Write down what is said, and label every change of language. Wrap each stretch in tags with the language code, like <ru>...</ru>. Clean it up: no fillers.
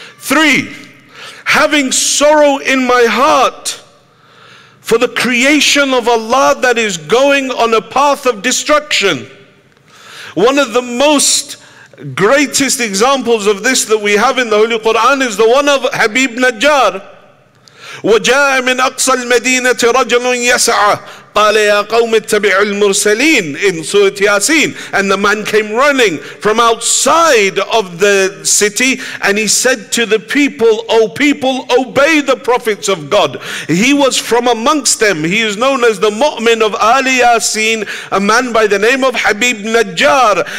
<en>Three, having sorrow in my heart for the creation of Allah that is going on a path of destruction. One of the most greatest examples of this that we have in the Holy Quran is the one of Habib Najjar.</en> <ar>وَجَاءَ مِنْ أَقْصَى الْمَدِينَةِ رَجَلٌ يَسْعَى قَالَ يَا قَوْمِ اتَّبِعُوا الْمُرْسَلِينَ</ar> <en>in Surah Yasin. And the man came running from outside of the city and he said to the people, "O people, obey the prophets of God." He was from amongst them. He is known as the Mu'min of Ali Yasin, a man by the name of Habib Najjar.</en>